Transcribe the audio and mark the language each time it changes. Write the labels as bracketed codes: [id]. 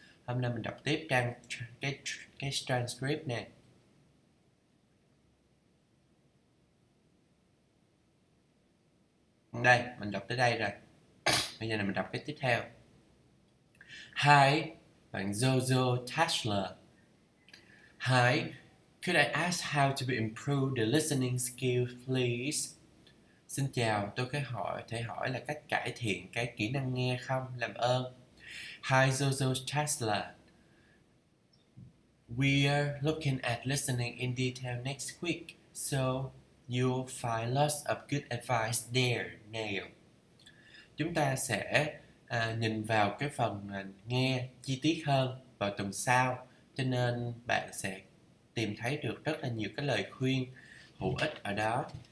[vi] Hôm nay mình đọc tiếp trang cái transcript nè. Đây, mình đọc tới đây rồi. Bây giờ này mình đọc cái tiếp theo. Hi, bạn Zozo Tashler. [en] Hi, could I ask how to improve the listening skill, please? [vi] Xin chào, tôi có hỏi, thể hỏi là cách cải thiện cái kỹ năng nghe không? Làm ơn. Hi Zozo Tesla. [en] We're looking at listening in detail next week, so you'll find lots of good advice there now. [vi] Chúng ta sẽ nhìn vào cái phần nghe chi tiết hơn vào tuần sau, cho nên bạn sẽ tìm thấy được rất là nhiều cái lời khuyên hữu ích ở đó.